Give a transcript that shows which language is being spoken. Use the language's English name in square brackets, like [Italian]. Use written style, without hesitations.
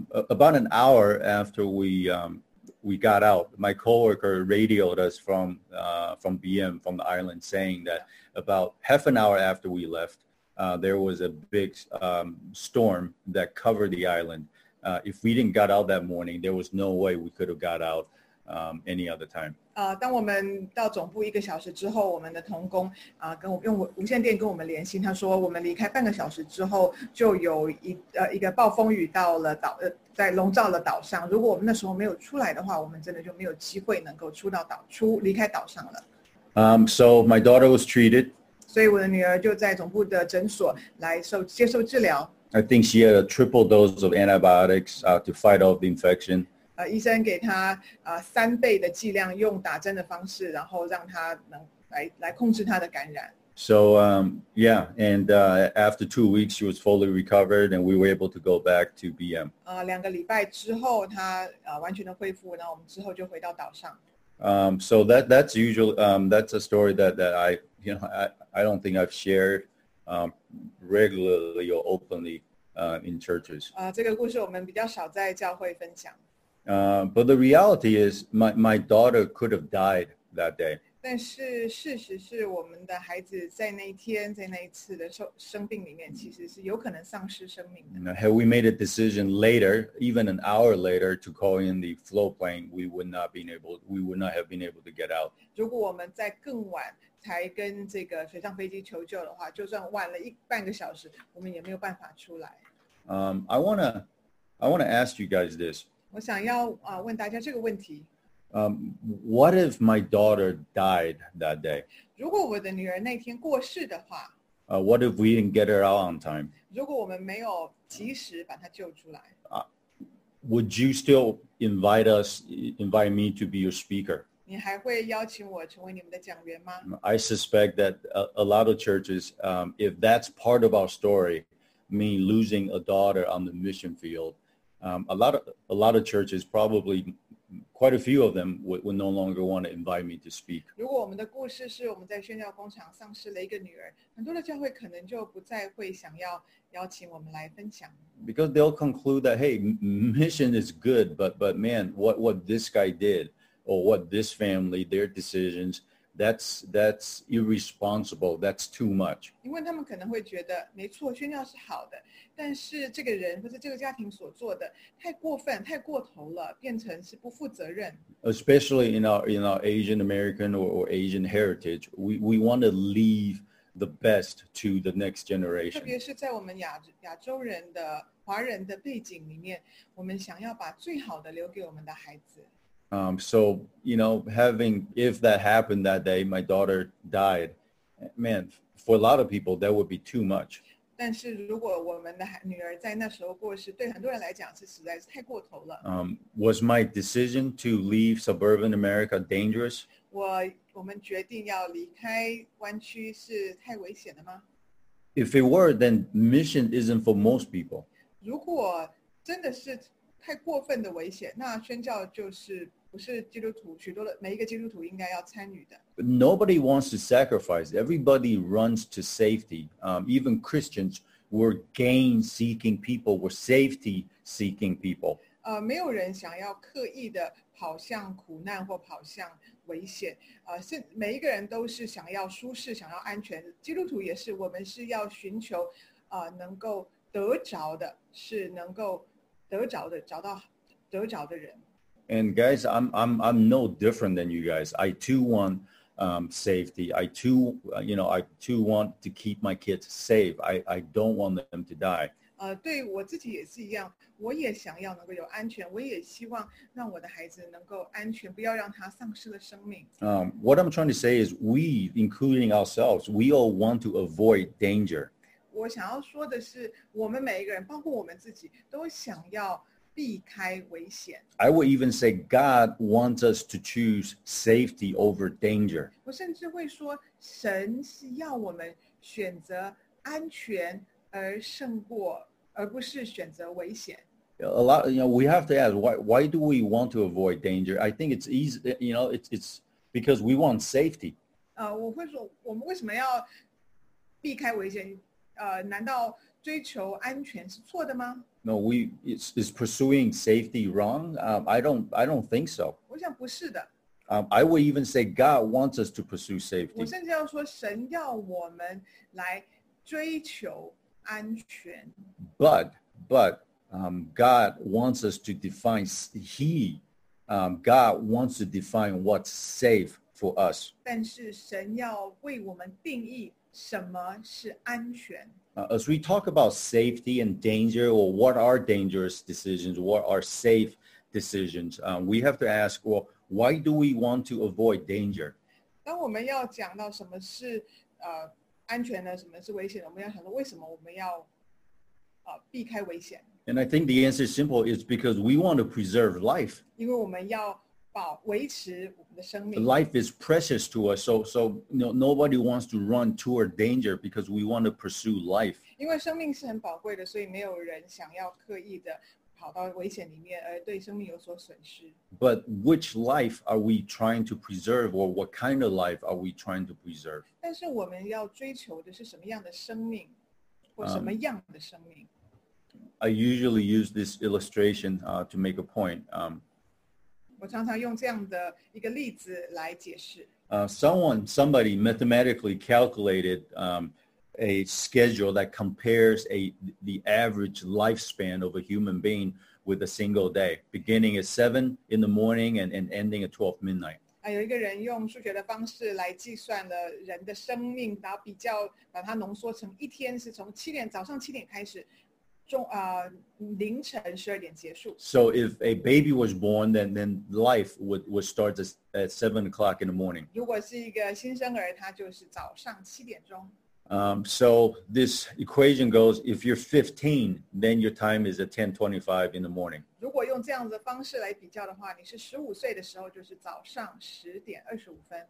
[English] About an hour after we got out, my coworker radioed us from BM, from the island, saying that about half an hour after we left, there was a big storm that covered the island. If we didn't got out that morning, there was no way we could have got out any other time. [Chinese] 当我们到总部一个小时之后，我们的同工跟我用无线电跟我们联系，他说我们离开半个小时之后就有一个暴风雨到了岛在笼罩了岛上，如果我们那时候没有出来的话，我们真的就没有机会能够离开岛上了。 [English] So my daughter was treated. [Chinese] 所以我的女儿就在总部的诊所来接受治疗。 [English] I think she had a triple dose of antibiotics to fight off the infection. [Chinese] 医生给她三倍的剂量，用打针的方式，然后让她能来控制她的感染。 [English] So yeah, and after 2 weeks she was fully recovered, and we were able to go back to BM. [Chinese] 两个礼拜之后，她完全的恢复，然后我们之后就回到岛上。 [English] So that's usually that's a story that I, you know, I don't think I've shared regularly or openly in churches. [Chinese] 这个故事我们比较少在教会分享。 [English] But the reality is, my daughter could have died that day. [Chinese] 但是事实是，我们的孩子在那一次的生病里面，其实是有可能丧失生命的。 [English] Had we made a decision later, even an hour later, to call in the float plane, we would not have been able to get out. [Chinese] 如果我们在更晚才跟这个水上飞机求救的话，就算晚了半个小时，我们也没有办法出来。 [English] I wanna ask you guys this. [Chinese] 我想要问大家这个问题。 [English] What if my daughter died that day? [Chinese] 如果我的女儿那天过世的话。 [English] What if we didn't get her out on time? [Chinese] 如果我们没有及时把她救出来。 [English] Would you still invite me to be your speaker? [Chinese] 你还会邀请我成为你们的讲员吗？ [English] I suspect that a lot of churches, if that's part of our story, me losing a daughter on the mission field, a lot of churches probably... Quite a few of them would no longer want to invite me to speak. [Chinese] 如果我们的故事是我们在宣教工厂丧失了一个女儿，很多的教会可能就不再会想要邀请我们来分享。 [English] Because they'll conclude that, hey, mission is good, but man, what this guy did, or what this family, their decisions, that's irresponsible, that's too much. [Chinese] 因为他们可能会觉得，没错，宣教是好的，但是这个人或者这个家庭所做的太过分，太过头了，变成是不负责任。 [English] Especially in our Asian American or Asian heritage, we want to leave the best to the next generation. [Chinese] 特别是在我们亚洲人的华人的背景里面，我们想要把最好的留给我们的孩子。 [English] So, you know, if that happened that day, my daughter died, man, for a lot of people, that would be too much. [Chinese] 但是如果我们的女儿在那时候过世，对很多人来讲是实在是太过头了。 [English] Was my decision to leave suburban America dangerous? [Chinese] 我们决定要离开湾区是太危险的吗？ [English] If it were, then mission isn't for most people. [Chinese] 如果真的是太过分的危险，那宣教就是不是基督徒许多的每一个基督徒应该要参与的。 [English] But nobody wants to sacrifice. Everybody runs to safety. Even Christians were gain-seeking people, were safety-seeking people. [Chinese] 没有人想要刻意的跑向苦难或跑向危险。是每一个人都是想要舒适，想要安全。基督徒也是，我们是要寻求能够得着的，是能够。得着的人。 [English] And guys, I'm no different than you guys. I too want safety. I too, you know, I too want to keep my kids safe. I don't want them to die. [Chinese] 对我自己也是一样，我也想要能够有安全，我也希望让我的孩子能够安全，不要让他丧失了生命。 [English] What I'm trying to say is we, including ourselves, we all want to avoid danger. [Chinese] 我想要说的是，我们每一个人，包括我们自己，都想要避开危险。 [English] I would even say God wants us to choose safety over danger. [Chinese] 我甚至会说，神是要我们选择安全而胜过，而不是选择危险。 [English] A lot, you know, we have to ask why do we want to avoid danger? I think it's easy, you know, it's because we want safety. [Chinese] 我会说，我们为什么要避开危险？难道追求安全是错的吗？ [English] No, we is pursuing safety wrong? I don't think so. [Chinese] 我想不是的。 [English] I would even say God wants us to pursue safety. [Chinese] 我甚至要说神要我们来追求安全。 [English] But God wants us to define, God wants to define what's safe for us. [Chinese] 但是神要为我们定义什么是安全。 [English] As we talk about safety and danger, or what are dangerous decisions, what are safe decisions, we have to ask, well, why do we want to avoid danger? [Chinese] 当我们要讲到什么是安全的，什么是危险的，我们要想到为什么我们要避开危险。 [English] And I think the answer is simple, it's because we want to preserve life. [Chinese] 因为我们要维持我们的生命。 [English] Life is precious to us, so you know, nobody wants to run toward danger because we want to pursue life. [Chinese] 因为生命是很宝贵的，所以没有人想要刻意的跑到危险里面而对生命有所损失。 [English] But which life are we trying to preserve, or what kind of life are we trying to preserve? [Chinese] 但是我们要追求的是什么样的生命，或什么样的生命？ [English] I usually use this illustration to make a point. [Chinese] 我常常用这样的一个例子来解释。 [English] Somebody mathematically calculated a schedule that compares the average lifespan of a human being with a single day, beginning at 7 in the morning and ending at 12 midnight. [Chinese] 有一个人用数学的方式来计算了人的生命，然后比较把它浓缩成一天是从早上七点开始。凌晨12点结束。 [English] So if a baby was born, then life would start at 7 o'clock in the morning. [Chinese] 如果是一个新生儿，他就是早上7点钟。 [English] So this equation goes, if you're 15, then your time is at 10:25 in the morning. [Chinese] 如果用这样子的方式来比较的话，你是15岁的时候，就是早上10点25分。